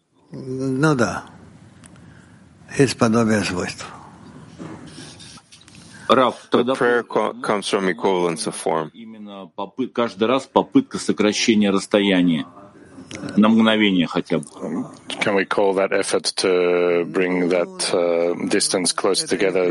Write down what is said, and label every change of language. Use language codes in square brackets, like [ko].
[ru] Ну да, из подобия свойств. [en] Рав, the prayer comes from equivalence of form. [ru] Именно каждый раз попытка сокращения расстояния на мгновение хотя бы. [en] Can we call that effort to bring that distance closer together?